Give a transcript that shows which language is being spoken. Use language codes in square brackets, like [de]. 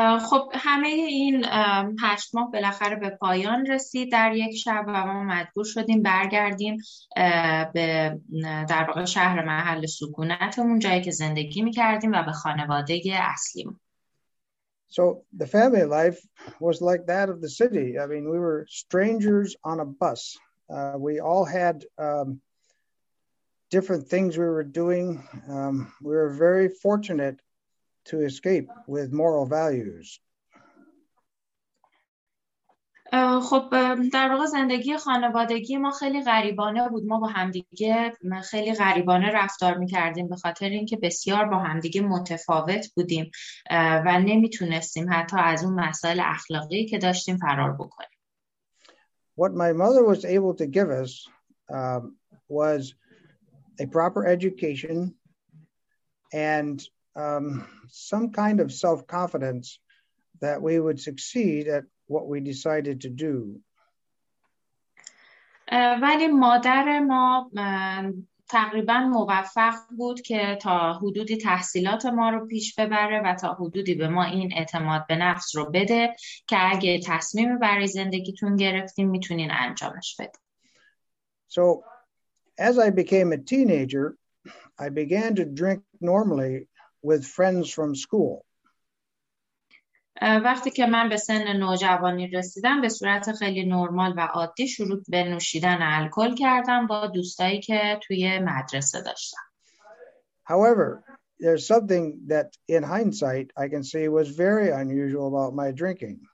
[fa] خب همه این 8 ماه بالاخره به پایان رسید در یک شب و ما مجبور شدیم برگردیم به در واقع شهر محل سکونتمون، جایی که زندگی میکردیم و به خانواده اصلیمون. [en] So the family life was like that of the city. I mean, we were strangers on a bus. We all had different things we were doing. We were very fortunate to escape with moral values. [fa] خب در واقع زندگی خانوادگی ما خیلی غریبانه بود. ما با همدیگه خیلی غریبانه رفتار میکردیم به خاطر اینکه بسیار با همدیگه متفاوت بودیم و نمیتونستیم حتی از اون مسائل اخلاقی که داشتیم فرار بکنیم. [en] What my mother was able to give us was a proper education and some kind of self-confidence that we would succeed at what we decided to do. [fa] ولی مادر ما تقریبا موفق بود که تا حدودی تحصیلات ما رو پیش ببره و تا حدودی به ما این اعتماد به نفس رو بده که اگه تصمیم برای زندگیتون گرفتین میتونین انجامش بدین. [en] So as I became a teenager, I began to drink normally with friends from school. [fa] وقتی که من به سن نوجوانی رسیدم به صورت خیلی نرمال و عادی شروع به نوشیدن الکل کردم با دوستایی که توی مدرسه داشتم. [en] However, there's something that in hindsight I can say was very unusual about my drinking.